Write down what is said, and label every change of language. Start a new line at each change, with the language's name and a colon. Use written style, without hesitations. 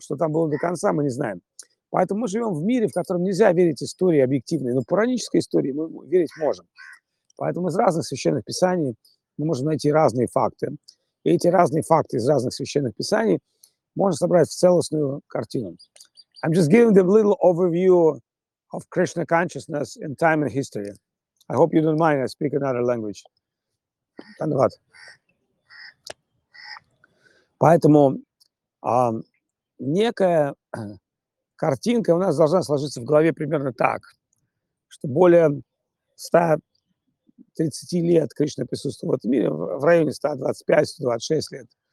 Russian: Что там было до конца, мы не знаем. Поэтому мы живем в мире, в котором нельзя верить истории объективной. Но пуранической истории мы верить можем. Поэтому из разных священных писаний мы можем найти разные факты. И эти разные факты из разных священных писаний можно собрать в целостную картину.
English: I'm just giving them a little overview of Krishna consciousness in time and history. I hope you don't mind, I speak another language.
Hindi: Dhanyavad.
Russian: Поэтому некая картинка у нас должна сложиться в голове примерно так, что более 130 лет Кришна присутствовал в этом мире, в районе 125-126 лет.